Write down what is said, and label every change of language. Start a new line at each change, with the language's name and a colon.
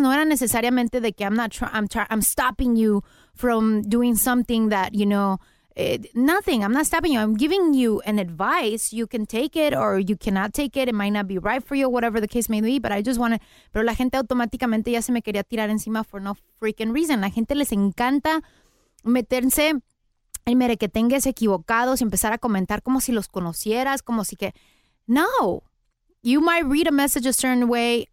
Spanish: No era necesariamente de que
English: I'm stopping you from doing something that, you know, nothing. I'm not stopping you. I'm giving you an advice. You can take it or you cannot take it. It might not be right for you, whatever the case may be. But I just want to.
Spanish: Pero la gente automáticamente ya se me quería tirar encima
English: for no freaking reason.
Spanish: La gente les encanta meterse en merequetengues equivocados y empezar a comentar como si los conocieras, como si que... No,
English: you might read a message a certain way.